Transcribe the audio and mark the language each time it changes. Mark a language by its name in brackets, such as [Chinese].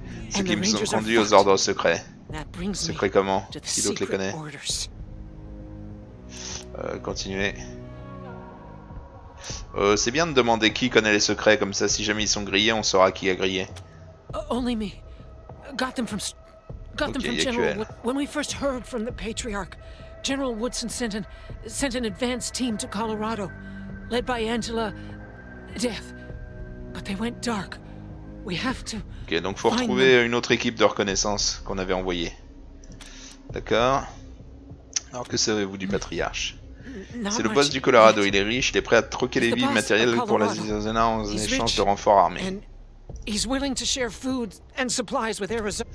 [French] Ceux qui nous ont conduits aux ordres secrets. Secrets comment? Qui d'autre les connaît? Continuez. C'est bien de demander qui connaît les secrets, comme ça si jamais ils sont grillés, on saura qui a grillé. [English] Only me. Got them from General. When we first heard from the patriarch, General Woodson sent an advanced team to Colorado, led by Angela Death. But they went dark. We have to. [French] Ok, donc faut retrouver une autre équipe de reconnaissance qu'on avait envoyée. D'accord. Alors que savez-vous du patriarche? C'est le boss du Colorado. Il est riche. Il est prêt à troquer les vies matérielles pour la Arizona en échange de renforts armés. [English] He's willing to share food and supplies with Arizona.